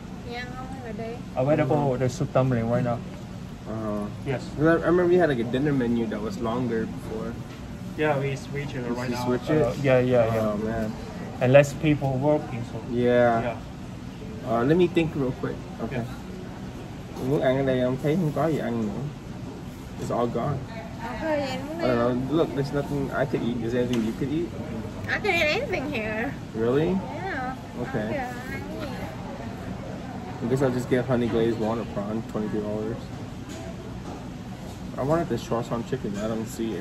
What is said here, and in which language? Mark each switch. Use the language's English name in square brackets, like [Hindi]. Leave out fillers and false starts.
[English] Yeah, how long are they? Available the soup dumpling right now. Yes. I remember we had like a dinner menu that was longer before. Yeah, we switch it right now. Switch it? Yeah. And less people working, so. Yeah. Let me think real quick. Okay. Yes. [Vietnamese] Muốn ăn ở đây, em thấy không có gì ăn nữa. [English] It's all gone. I don't know. Look, there's nothing I could eat. Is there anything you could eat? I can eat anything here. Really? Yeah. Okay. I guess I'll just get honey glazed water prawn, $22. I wanted this croissant chicken, I don't see it.